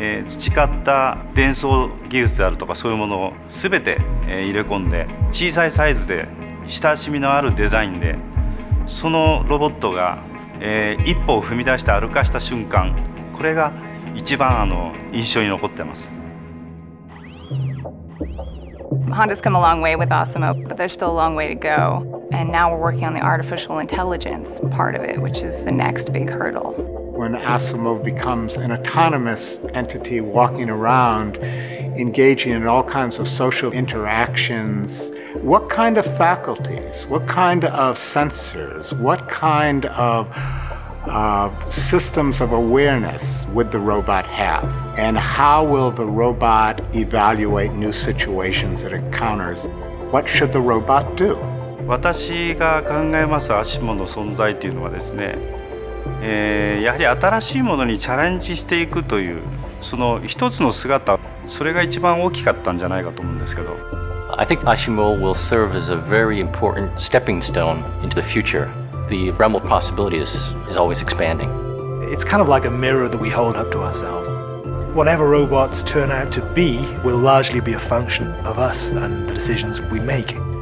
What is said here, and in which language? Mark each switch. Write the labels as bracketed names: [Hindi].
[Japanese] 培った伝送技術であるとか、そういうものを全て、入れ込んで、小さいサイズで親しみのあるデザインで、そのロボットが、一歩を踏み出して歩かした瞬間、これが一番印象に残ってます。 [English] Honda's come a long way with Osimo, but there's still a long way to go. And now we're working on the artificial intelligence part of it, which is the next big hurdle. When Osimo becomes an autonomous entity walking around, engaging in all kinds of social interactions,What kind of faculties, what kind of sensors, what kind of systems of awareness would the robot have? And how will the robot evaluate new situations it encounters? What should the robot do? [Japanese] 私が考えますアシモの存在というのはですね、やはり新しいものにチャレンジしていくという、その一つの姿、それが一番大きかったんじゃないかと思うんですけど。 [English] I think Osimo will serve as a very important stepping stone into the future. The realm of possibilities is always expanding. It's kind of like a mirror that we hold up to ourselves. Whatever robots turn out to be will largely be a function of us and the decisions we make.